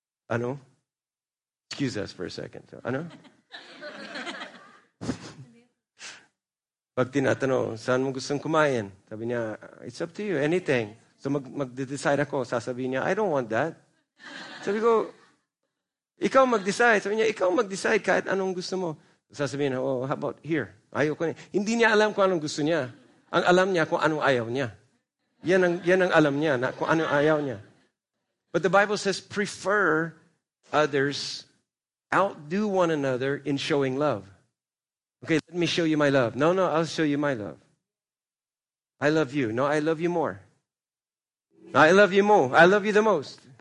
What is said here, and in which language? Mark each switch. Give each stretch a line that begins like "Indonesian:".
Filipino: Ano?
English: Excuse us for a second. Ano?
Filipino: Pag tinatanong, saan mo gustong kumain? Sabi niya,
English: it's up to you, anything. So
Filipino: mag-decide ako, sasabihin niya,
English: I don't want that.
Filipino: Sabi ko, ikaw mag-decide. Sabi niya, ikaw mag-decide kahit anong gusto mo. Sasabihin niya,
English: oh, how about here?
Filipino: Ayoko niya. Hindi niya alam kung anong gusto niya. Ang alam niya kung anong ayaw niya. Yan ang alam niya, na kung anong ayaw niya.
English: But the Bible says, prefer others, outdo one another in showing love. Okay, let me show you my love. No, I'll show you my love. I love you. No, I love you more. I love you more. I love you the most.